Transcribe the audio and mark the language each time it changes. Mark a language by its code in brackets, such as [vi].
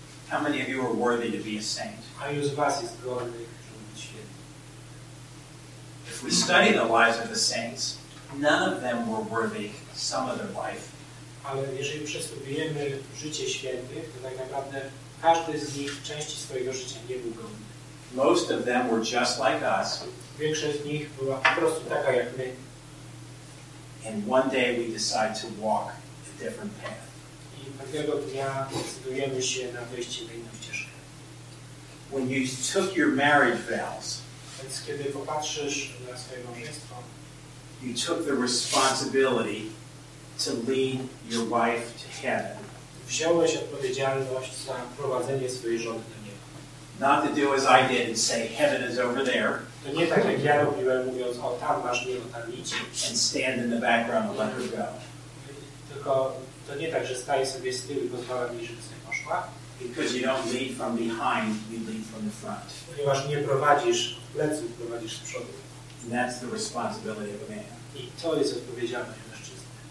[en] How many of you are worthy to be a saint? [pl] A już was jest godnych, żeby być świętą. [en] If we study the lives of the saints, none of them were worthy some of their life. [pl] Ale jeżeli przestudujemy życie świętych, to tak naprawdę każdy z nich części swojego życia nie był godny. [en] Most of them were just like us. [pl] Większość z nich była po prostu taka jak my. [en] And one day we decide to walk a different path. [pl] I pewnego dnia decydujemy się na wyjście na inną ścieżkę. [en] When you took your marriage vows, [pl] więc kiedy popatrzysz na swoje małżeństwo, [en] you took the responsibility to lead your wife to heaven. [pl] Wziąłeś odpowiedzialność za prowadzenie swojej żony do nieba. [en] Not to do as I did and say heaven is over there. [pl] To nie tak jak ja robiłem, mówiąc, o tam masz mnie, o tam idź. [en] And stand in the background and let her go. [pl] Tylko to nie tak, że staję sobie z tyłu i pozwalam jej, żeby sobie poszła. [en] Because you don't lead from behind, you lead from the front. [pl] Ponieważ nie prowadzisz pleców, prowadzisz z przodu. [en] And that's the responsibility of a man. [pl] I to jest odpowiedzialność mężczyzny.